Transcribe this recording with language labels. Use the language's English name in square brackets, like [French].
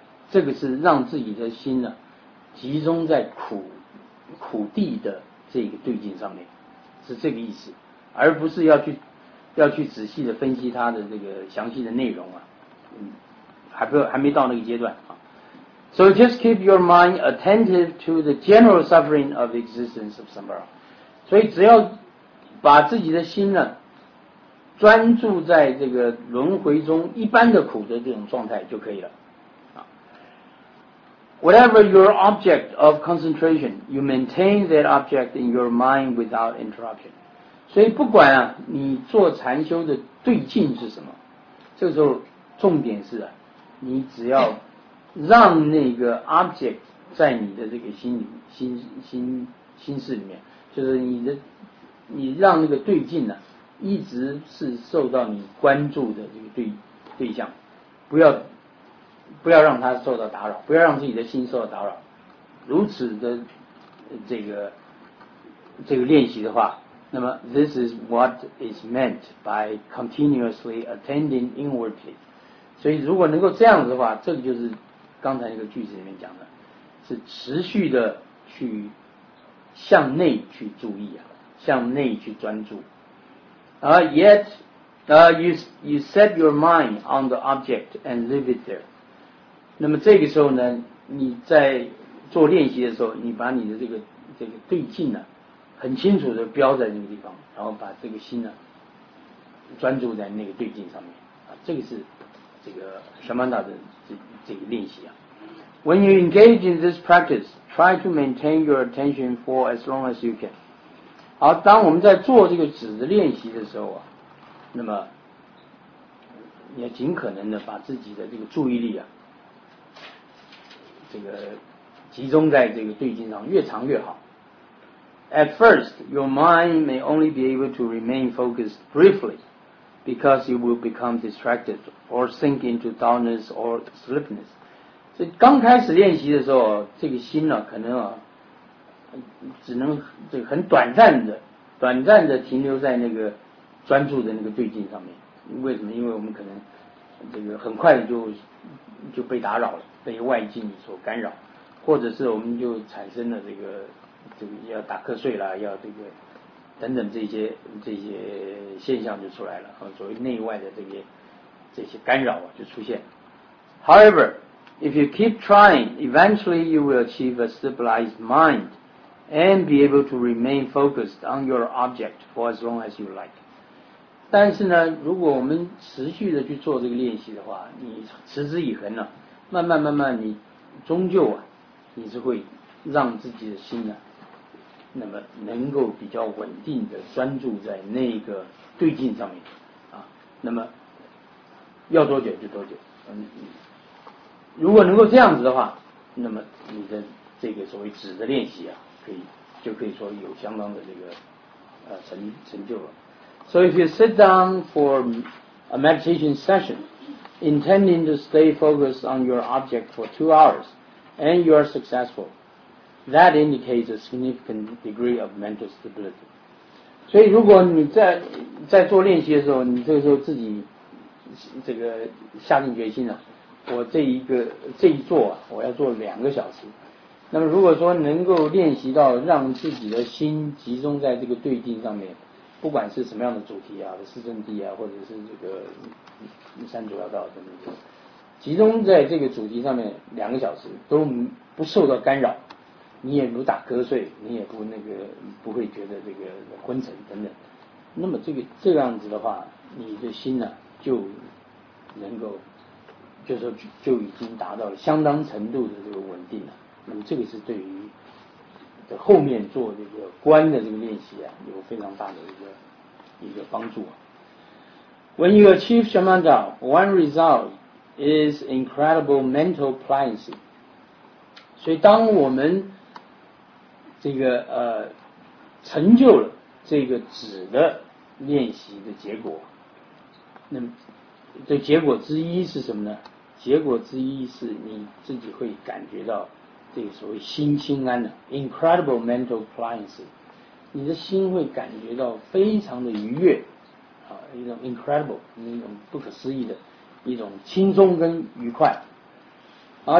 [Chinese] 这个是让自己的心呢集中在苦地的这个对境上面，是这个意思，而不是要去要去仔细的分析它的这个详细的内容啊，还没到那个阶段啊。 [English] So just keep your mind attentive to the general suffering of the existence of samsara. [Chinese] 所以只要把自己的心呢，专注在这个轮回中一般的苦的这种状态就可以了。 [English] Whatever your object of concentration, you maintain that object in your mind without interruption. [Chinese] 所以不管啊，你做禅修的对境是什么，这个时候重点是啊，你只要让那个 object 在你的这个心室里面，就是你让那个对境呢、啊，一直是受到你关注的这个对象，不要让他受到打扰，不要让自己的心受到打扰。如此的这个练习的话，那么 [English] this is what is meant by continuously attending inwardly。 [Chinese] 所以如果能够这样子的话，这个就是刚才那个句子里面讲的，是持续的去向内去注意啊，向内去专注。 [English] Yet, you set your mind on the object and leave it there. [Chinese] 那么这个时候呢，你在做练习的时候，你把你的这个对境呢、啊，很清楚的标在那个地方，然后把这个心呢、啊，专注在那个对境上面啊，这个是这个Samatha的这个练习啊。 [English] When you engage in this practice, try to maintain your attention for as long as you can。 [Chinese] 好，当我们在做这个止的练习的时候啊，那么你要尽可能的把自己的这个注意力啊。这个集中在这个对境上，越长越好。 [English] At first, your mind may only be able to remain focused briefly, because you will become distracted or sink into dullness or sleepiness. [Chinese] 所以刚开始练习的时候，这个心呢、啊，可能啊，只能这很短暂的停留在那个专注的那个对境上面。为什么？因为我们可能这个很快的就被打扰了。被外境所干扰，或者是我们就产生了这个要打瞌睡了，要这个等等这些现象就出来了，所谓内外的这些干扰就出现。 [English] However, if you keep trying, eventually you will achieve a stabilized mind and be able to remain focused on your object for as long as you like. [Chinese] 但是呢，如果我们持续的去做这个练习的话，你持之以恒呢、啊。慢慢你终究啊，你是会让自己的心呢、啊、那么能够比较稳定的专注在那个对境上面啊，那么要多久就多久。如果能够这样子的话，那么你的这个所谓止的练习啊，可以说有相当的这个成就了。 [English] So if you sit down for a meditation session,intending to stay focused on your object for 2 hours, and you are successful, that indicates a significant degree of mental stability. [Chinese] 所以如果你在做练习的时候，你这个时候自己这个下定决心了、啊，我这一坐、啊、我要做2个小时，那么如果说能够练习到让自己的心集中在这个对境上面，不管是什么样的主题啊，四圣谛啊，或者是这个三主要道等等，集中在这个主题上面2个小时都不受到干扰，你也不打瞌睡，你也不那个不会觉得这个昏沉等等，那么这样子的话，你的心呢、啊、就能够就是说就已经达到了相当程度的这个稳定了。那么这个是对于后面做这个观的这个练习啊，有非常大的一个帮助、啊。 [English] When you achieve Samatha, one result is incredible mental pliancy. [Chinese] 所以当我们这个成就了这个止的练习的结果，那么这结果之一是什么呢？结果之一是你自己会感觉到这个所谓心清安的 [English] incredible mental pliancy， [Chinese] 你的心会感觉到非常的愉悦啊，一种 incredible， 一种不可思议的一种轻松跟愉快啊。